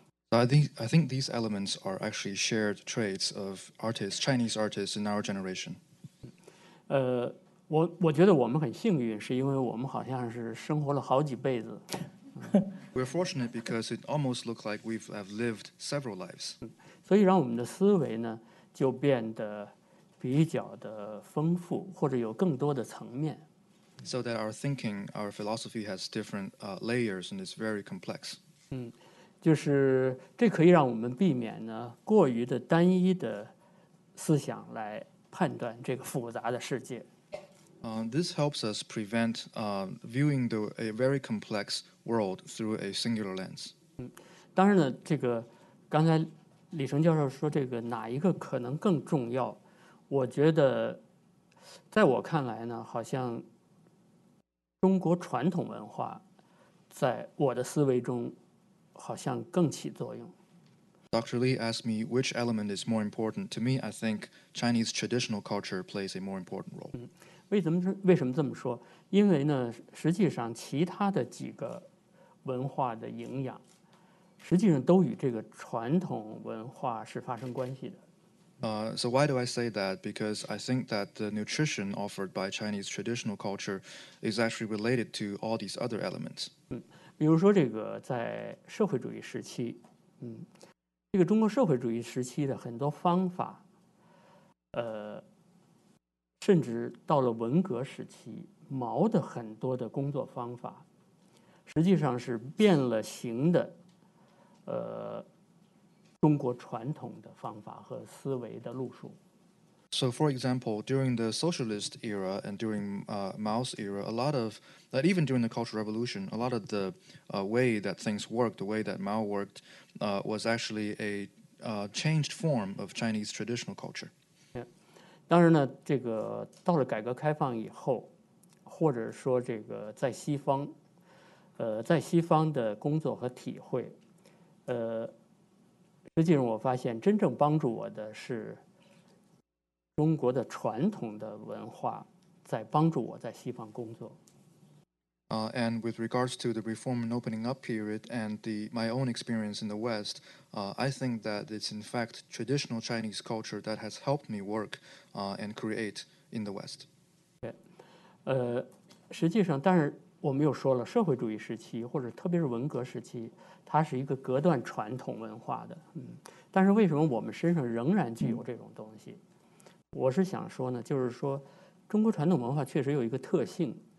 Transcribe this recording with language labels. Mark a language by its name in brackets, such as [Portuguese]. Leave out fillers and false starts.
[English] I think these elements are actually shared traits of artists, Chinese artists in our generation. [Chinese] 我觉得我们很幸运，是因为我们好像是生活了好几辈子。 [English] We're fortunate because it almost looks like we've lived several lives. [Chinese] 所以让我们的思维呢就变得比较的丰富，或者有更多的层面。 [English] So that our thinking, our philosophy has different layers and it's very complex. [Chinese] 就是这可以让我们避免呢过于的单一的思想来判断这个复杂的世界。 [English] This helps us prevent viewing a very complex world through a singular lens. [Chinese] 当然呢，这个刚才李成教授说这个哪一个可能更重要，我觉得在我看来呢，好像中国传统文化在我的思维中好像更起作用。 [English] Dr. Lee asked me which element is more important. To me, I think Chinese traditional culture plays a more important role. [Chinese] 为什么这么说？因为呢，实际上其他的几个文化的营养，实际上都与这个传统文化是发生关系的。 [English] So why do I say that? Because I think that the nutrition offered by Chinese traditional culture is actually related to all these other elements. [Chinese] 比如说这个在社会主义时期，这个中国社会主义时期的很多方法，甚至到了文革时期，毛的很多的工作方法，实际上是变了形的，中国传统的方法和思维的路数。 [English] So, for example, during the socialist era and during Mao's era, even during the Cultural Revolution, a lot of the way that things worked, the way that Mao worked, was actually a changed form of Chinese traditional culture. Yeah. [Chinese] 当然呢，这个到了改革开放以后，或者说这个在西方，在西方的工作和体会，实际上我发现真正帮助我的是中国的传统的文化在帮助我在西方工作。 [English] And with regards to the reform and opening up period and my own experience in the West, I think that it's in fact traditional Chinese culture that has helped me work and create in the West. [Chinese] Okay. 实际上，但是我们又说了，社会主义时期或者特别是文革时期，它是一个隔断传统文化的。但是为什么我们身上仍然具有这种东西？我是想说呢，就是说中国传统文化确实有一个特性。